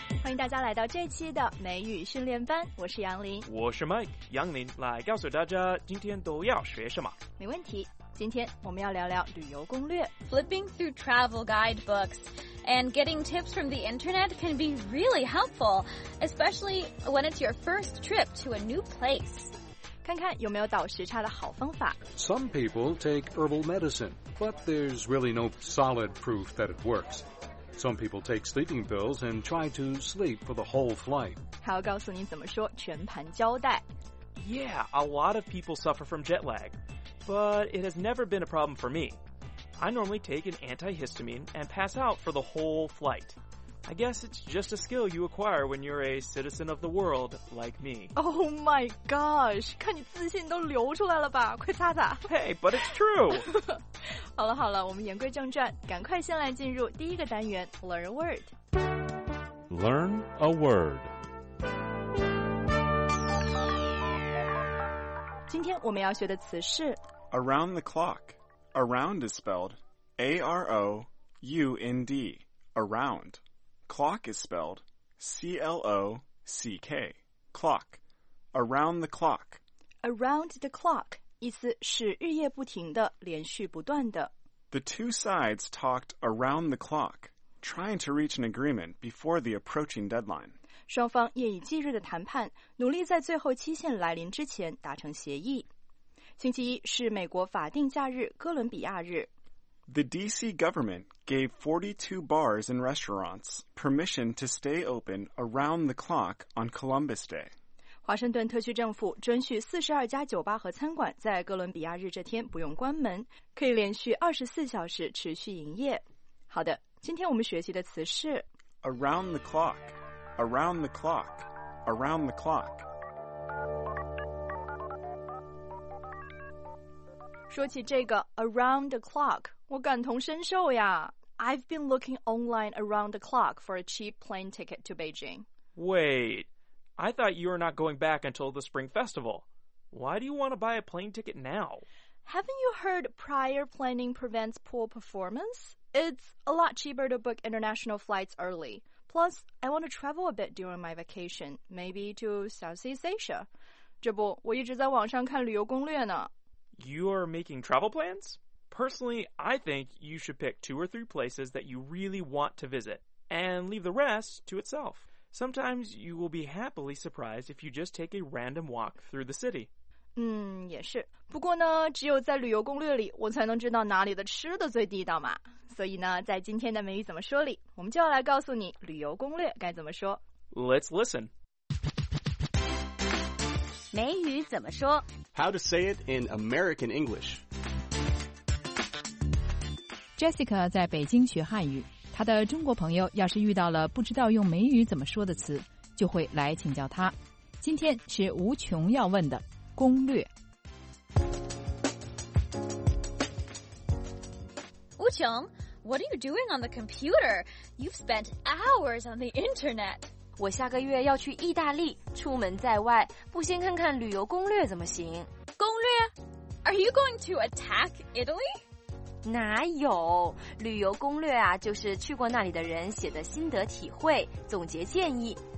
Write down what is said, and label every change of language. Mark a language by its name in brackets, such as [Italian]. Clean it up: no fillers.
[Chinese] 迎大家来到这期的美语训练班，我是杨林。我是 Mike， 杨林来告诉大家今天都要学什么。没问题，今天我们要聊聊旅游攻略。 [English] Flipping through travel guidebooks and getting tips from the internet can be really helpful, especially when it's your first trip to a new place. [Chinese] 看看有没有倒时差的好方法。 [English] Some people take herbal medicine, but there's really no solid proof that it works. Some people take sleeping pills and try to sleep for the whole flight. [Chinese] 还要告诉你怎么说全盘交代。 [English] Yeah, a lot of people suffer from jet lag, but it has never been a problem for me. I normally take an antihistamine and pass out for the whole flight. I guess it's just a skill you acquire when you're a citizen of the world, like me. Oh my gosh, [Chinese] 看你自信都流出来了吧，快擦擦。 [English] Hey, but it's true. [Chinese] 好了好了，我们言归正传，赶快先来进入第一个单元 [English] Learn a Word. Learn a Word. [Chinese] 今天我们要学的词是 [English] Around the clock. Around is spelled A-R-O-U-N-D. Around. Clock is spelled C-L-O-C-K, clock, around the clock. Around the clock, [Chinese] 意思是日夜不停的，连续不断的。 [English] The two sides talked around the clock, trying to reach an agreement before the approaching deadline. [Chinese] 双方夜以继日的谈判，努力在最后期限来临之前达成协议。星期一是美国法定假日哥伦比亚日。 [English] The D.C. government gave 42 bars and restaurants permission to stay open around the clock on Columbus Day. [Chinese] 华盛顿特区政府准许42家酒吧和餐馆在哥伦比亚日这天不用关门，可以连续24小时持续营业。好的，今天我们学习的词是 [English] Around the clock, around the clock, around the clock. [Chinese] 说起这个 [English] around the clock, [Chinese] 我感同身受呀。 [English] I've been looking online around the clock for a cheap plane ticket to Beijing. Wait, I thought you were not going back until the Spring Festival. Why do you want to buy a plane ticket now? Haven't you heard prior planning prevents poor performance? It's a lot cheaper to book international flights early. Plus, I want to travel a bit during my vacation, maybe to Southeast Asia. [Chinese] 这不，我一直在网上看旅游攻略呢。 [English] You are making travel plans? Personally, I think you should pick two or three places that you really want to visit, and leave the rest to itself. Sometimes you will be happily surprised if you just take a random walk through the city. [Chinese] 也是。不过呢，只有在旅游攻略里，我才能知道哪里的吃的最地道嘛。所以呢，在今天的美语怎么说里，我们就要来告诉你旅游攻略该怎么说。 [English] Let's listen. [Chinese] 美语怎么说 [English] How to say it in American English. [Chinese] Jessica 在北京学汉语，她的中国朋友要是遇到了不知道用美语怎么说的词，就会来请教她。今天是无穷要问的攻略。 [English] 无穷 What are you doing on the computer? You've spent hours on the internet. [Chinese] 我下个月要去意大利，出门在外，不先看看旅游攻略怎么行？攻略？ [English] Are you going to attack Italy? [Chinese] 哪有？旅游攻略啊，就是去过那里的人写的心得体会，总结建议。